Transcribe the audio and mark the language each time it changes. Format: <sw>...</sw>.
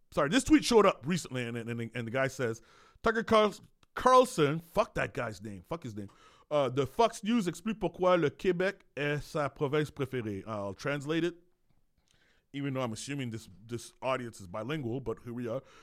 <en>This tweet showed up recently, and the guy says, Tucker Carlson, fuck that guy's name, fuck his name.</en> <fr>The Fox News explique pourquoi le Québec est sa province préférée.</fr> <en>I'll translate it, even though I'm assuming this audience is bilingual, but here we are.</en>